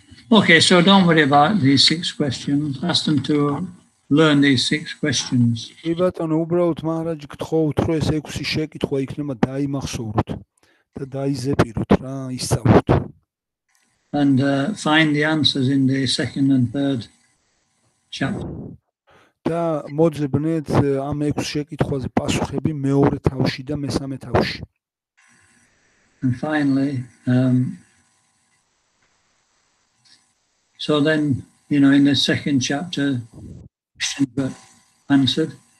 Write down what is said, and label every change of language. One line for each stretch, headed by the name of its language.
English: Okay, so don't worry about these six questions. Ask them to learn these six questions.
Georgian: Ibaton ubraut Maharaj ktkhovt ro es 6 shekitva iknema daimakhsovrot. და დაიზეპიროთ რა ისწავლოთ
English: and find the answers in the second and third chapter
Georgian: და მოძებნეთ ამ 6 შეკითხვაზე პასუხები მეორე თავში და მესამე თავში
English: and finally so then you know in the second chapter answered